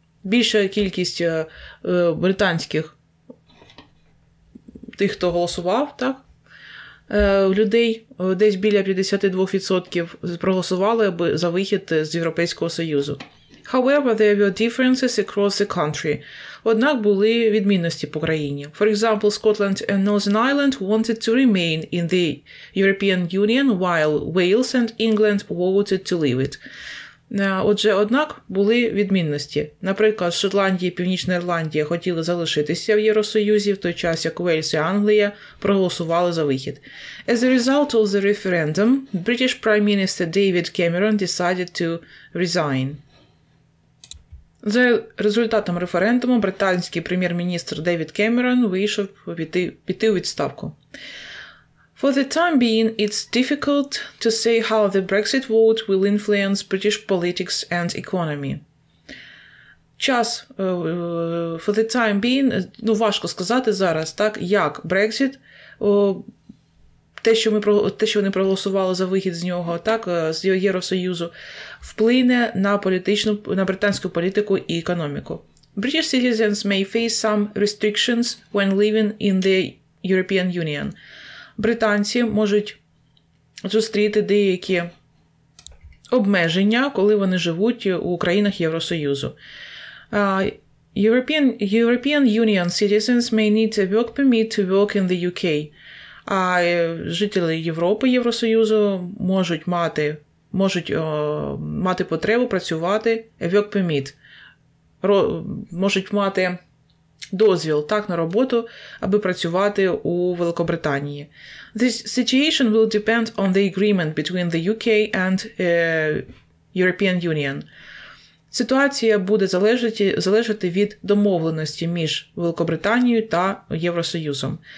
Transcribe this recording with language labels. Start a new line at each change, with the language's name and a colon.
Ukrainian: Більша кількість британських тих, хто голосував, так? Людей десь біля 52% проголосували аби за вихід з Європейського Союзу.
English: However, there were differences across the country.
Ukrainian: Однак були відмінності по країні.
English: For example, Scotland and Northern Ireland wanted to remain in the European Union, while Wales and England voted to leave it.
Ukrainian: Отже, однак були відмінності. Наприклад, Шотландія і Північна Ірландія хотіли залишитися в Євросоюзі, в той час як Уельс і Англія проголосували за вихід.
English: As a result of the referendum, British Prime Minister David Cameron decided to resign.
Ukrainian: За результатом референдуму британський прем'єр-міністр Девід Кемерон вийшов піти у відставку.
English: For the time being, it's difficult to say how the Brexit vote will influence British politics and economy.
Ukrainian: Час,
English: for the time being,
Ukrainian: ну важко сказати зараз, так, як Brexit, те, що вони проголосували за вихід з нього, так, з Євросоюзу, вплине на політичну, на британську політику і економіку.
English: British citizens may face some restrictions when living in the European Union.
Ukrainian: Британці можуть зустріти деякі обмеження, коли вони живуть у країнах Євросоюзу.
English: European Union citizens may need a work permit to work in the UK.
Ukrainian: А жителі Європи, Євросоюзу можуть мати потребу працювати
English: a work permit.
Ukrainian: Можуть мати дозвіл так на роботу, аби працювати у Великобританії.
English: This situation will depend on the agreement between the UK and European Union.
Ukrainian: Ситуація буде залежати від домовленості між Великобританією та Євросоюзом.